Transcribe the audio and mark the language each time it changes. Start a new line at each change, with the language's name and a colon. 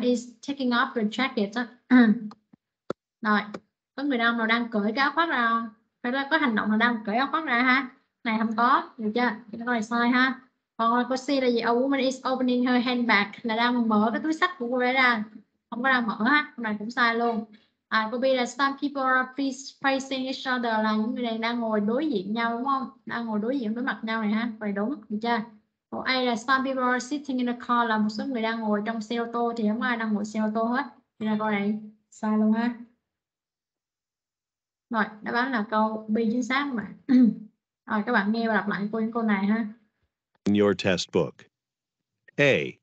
English: Is taking off the jacket.
Vietnamese: Rồi. Có người đàn ông nào đang cởi cái áo khoác ra không? Phải là có hành động nào đang cởi áo khoác ra ha? Này không có, được chưa? Cái câu này sai ha. Còn câu C là gì?
English: A woman is opening her handbag.
Vietnamese: Là đang mở cái túi sách của cô ấy ra. Không có đang mở ha. Câu này cũng sai luôn. À, câu B là
English: some people are facing each other.
Vietnamese: Là những người này đang ngồi đối diện nhau đúng không? Đang ngồi đối diện đối mặt nhau này ha. Vậy đúng, được chưa? Câu A là
English: some people are sitting in the car.
Vietnamese: Là một số người đang ngồi trong xe ô tô. Thì không ai đang ngồi xe ô tô hết. Thì là câu này sai luôn ha. Rồi, đáp án là câu B chính xác mà. Rồi, các bạn nghe và đọc lại câu này ha.
English: In your test book. A.